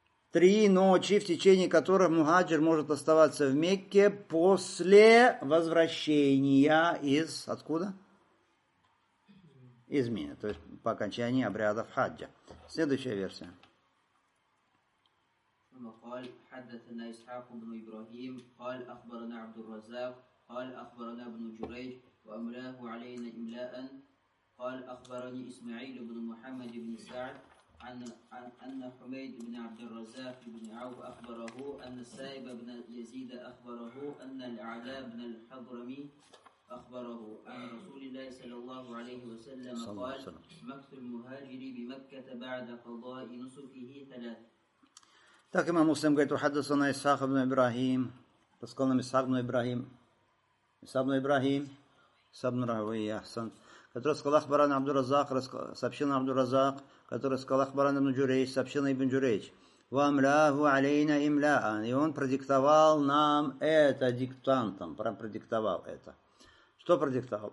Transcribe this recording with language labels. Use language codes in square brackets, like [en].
[ru] Три ночи, в течение которых мухаджир может оставаться в Мекке после возвращения из... Откуда? Из Мины, то есть по окончании обрядов хаджа. Следующая версия. [ar] قال حدثنا إسحاق بن إبراهيم قال أخبرنا عبد الرزاق قال أخبرنا ابن جريج وأملاه علينا إملاء قال أخبرني إسماعيل بن محمد بن سعد عن أن حميد بن عبد الرزاق بن عوف أخبره أن السائب بن يزيد أخبره أن العلاء بن الحضرمي أخبره أن رسول الله صلى الله عليه وسلم قال مكث المهاجر بمكة بعد قضاء نسكه ثلاث. [ru] Так имам Муслим говорит, ухаддасана Исхак ибн Ибрахим, рассказал нам Исхак ибн Ибрахим, Исхак ибн Ибрахим, Исхак ибн Рахуи Ахсан, который сказал Ахбаран Абдур-Разак, сообщил нам Абдур-Разак, который сказал Ахбаран ибн Джурейч, сообщил нам ибн Джурейч, вамляху алейна имляан, и он продиктовал нам это диктантом, продиктовал это. Что продиктовал?